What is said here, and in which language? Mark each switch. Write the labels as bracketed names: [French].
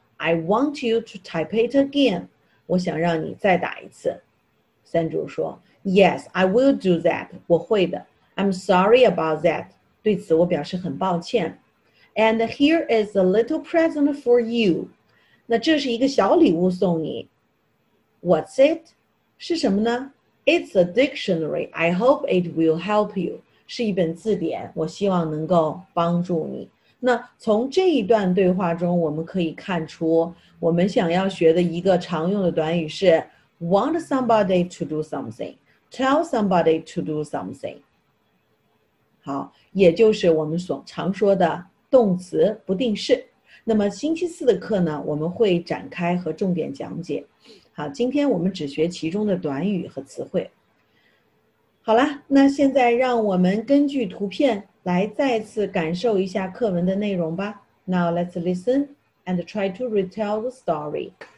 [English] I want you to type it again. [Chinese] 我想让你再打一次。 [English] Sandra 说 ,Yes, I will do that. [Chinese] 我会的。 [English] I'm sorry about that. [Chinese] 对此我表示很抱歉。 [English] And here is a little present for you. [Chinese] 那这是一个小礼物送你。 [English] What's it? [Chinese] 是什么呢? [English] It's a dictionary. I hope it will help you. [Chinese] 是一本字典。我希望能够帮助你。那从这一段对话中我们可以看出我们想要学的一个常用的短语是 [English] want somebody to do something, [Chinese] tell somebody to do something. 好，也就是我们所常说的动词不定式。那么星期四的课呢，我们会展开和重点讲解。好，今天我们只学其中的短语和词汇。好了，那现在让我们根据图片来再次感受一下课文的内容吧。 [English] Now let's listen and try to retell the story.